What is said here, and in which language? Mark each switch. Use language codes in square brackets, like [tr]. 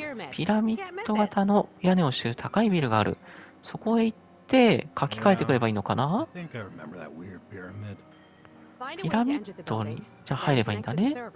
[ja] ピラミッド型の屋根をしている高いビルがある。そこへ行って書き換えてくればいいのかな？ [en] I think I remember that weird pyramid. [ja] ピラミッドにじゃあ入ればいいんだね。